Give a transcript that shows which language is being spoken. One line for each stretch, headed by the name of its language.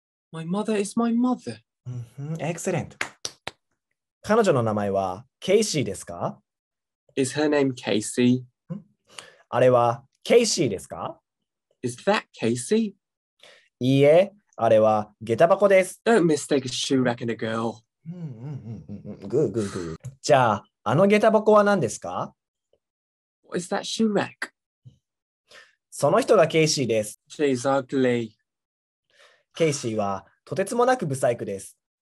English: My mother is my mother. Excellent.
Japanese: 彼女の名前はケイシーですか?
English: Is her name Casey?
Japanese: あれはケイシーですか?
English: Is that Casey?
Japanese: いいえ、あれは下駄箱です。
English: Don't mistake a shoe rack and a girl. Good, good, good.
Japanese: じゃあ、あの下駄箱は何ですか?
English: What is that shoe rack?
Japanese: その人がケイシーです。
English: She's ugly.
Japanese: ケイシーはとてつもなく不細工です。